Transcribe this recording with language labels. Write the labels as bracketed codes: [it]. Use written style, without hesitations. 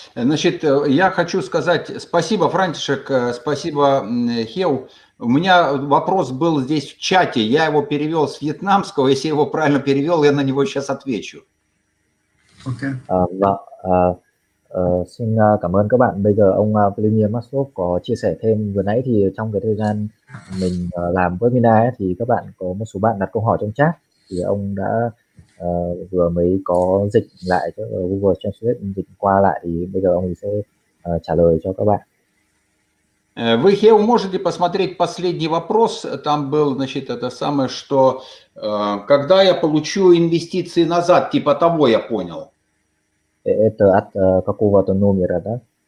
[ru] Значит, я хочу сказать спасибо, Франтишек, спасибо, Хеу. У меня вопрос был здесь в чате. Я его перевел с вьетнамского. Если я его правильно перевел, я на него сейчас отвечу. Окей. [vi] Okay. Xin cảm ơn các bạn. Bây giờ ông Vladimir Maslov có chia sẻ thêm. Vừa nãy thì trong cái thời gian mình làm với Mina ấy, thì các bạn có một số bạn đặt câu hỏi trong chat, thì ông đã vừa mới có dịch lại cho Google Translate dịch qua lại, thì bây giờ ông sẽ trả lời cho các bạn. [ru] Вы его можете посмотреть последний вопрос. Там был, значит, это самое, что когда я получу инвестиции назад, типа того, я понял. Это от какого-то номера, да?